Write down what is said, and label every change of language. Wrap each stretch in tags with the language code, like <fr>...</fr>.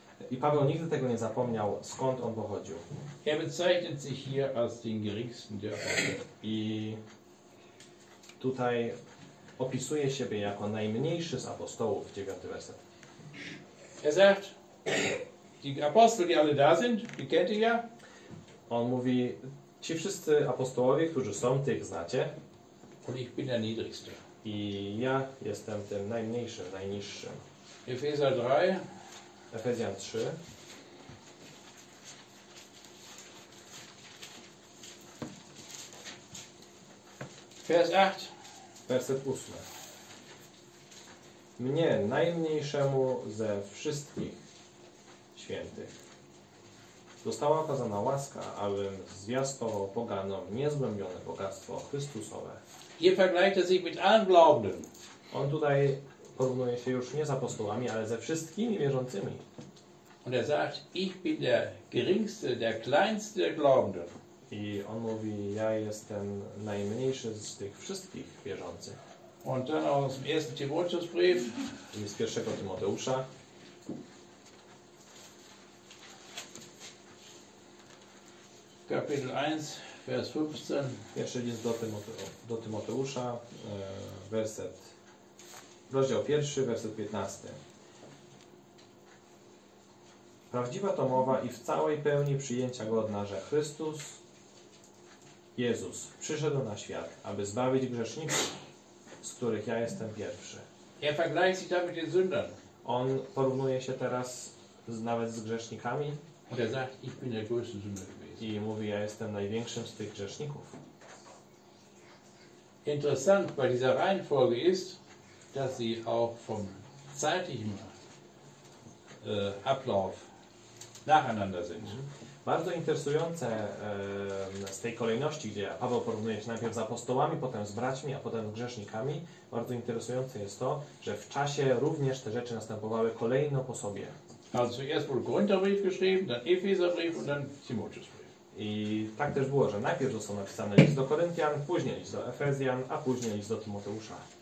<pl>I Paweł nigdy tego nie zapomniał, skąd on pochodził.</pl> <de>Er bezeichnet sich hier als den geringsten der Apostel.</de> <pl>I tutaj opisuje siebie jako najmniejszy z apostołów, 9 werset.</pl> <de>Er sagt, die Apostel, die alle da sind, die kennt ihr ja.</de> <pl>On mówi, ci wszyscy apostołowie, którzy są, tych znacie.</pl> <de>Und ich bin der niedrigste.</de> <pl>I ja jestem tym najmniejszym, najniższym. Efezjan 3. Efezjan 3.</pl> <de>Vers 8.</de> <pl>Werset 8. Mnie, najmniejszemu ze wszystkich świętych, została okazana łaska, abym zwiastował poganom niezgłębione bogactwo chrystusowe.</pl> <de>Hier vergleicht er sich mit allen Glaubenden.</de> <pl>On tutaj porównuje się już nie z apostołami, ale ze wszystkimi wierzącymi.</pl> <de>Und er sagt, ich bin der geringste, der kleinste der Glaubenden.</de> <pl>I on mówi, ja jestem najmniejszy z tych wszystkich wierzących.</pl> <de>Und dann aus dem 1. Timotheusbrief.</de> <pl>I z 1. Tymoteusza.</pl> <de>Kapitel 1. Vers 15.</de> <pl>Pierwszy list do Tymoteusza, werset, rozdział 1, werset 15. Prawdziwa to mowa i w całej pełni przyjęcia godna, że Chrystus, Jezus, przyszedł na świat, aby zbawić grzeszników, z których ja jestem pierwszy.</pl> <de>Er vergleicht sich damit den Sündern.</de> <pl>On porównuje się teraz nawet z grzesznikami.</pl> <de>Und er sagt, ich bin der größte Sünder.</de> <pl>I mówi, ja jestem największym z tych grzeszników.</pl> <de>Interessant bei dieser Reihenfolge ist, dass sie auch vom zeitlichen Ablauf nacheinander sind. Mhm.</de> <pl>Bardzo interesujące z tej kolejności, gdzie Paweł porównuje się najpierw z apostołami, potem z braćmi, a potem z grzesznikami, bardzo interesujące jest to, że w czasie również te rzeczy następowały kolejno po sobie.</pl> <de>Also zuerst wurde Korintherbrief geschrieben, dann Epheserbrief und dann Timotheusbrief.</de> <pl>I tak też było, że najpierw został napisany list do Koryntian, później list do Efezjan, a później list do Tymoteusza.</pl>